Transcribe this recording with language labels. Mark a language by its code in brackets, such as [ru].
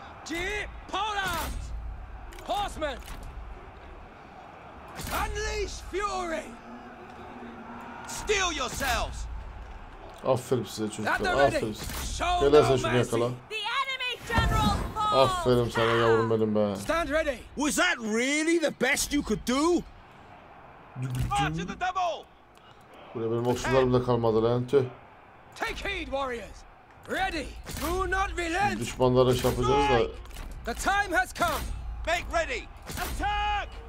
[en] Deep pole arms. Horsemen. Unleash fury. Steal yourselves. [tr] Aferin size çocuklar. Aferin. Gelersen şunu yakala. [en] The enemy general. [tr] Aferin sana yavrum benim be. [en] Stand ready. Was that really the best you could do? March to the double. [tr] Buraya benim okçularım da kalmadı lan tüh. [en] Take heed, warriors. Ready. Do not relent. [tr] Düşmanlara çarpacağız da. [en] The time has come. Make ready. Attack.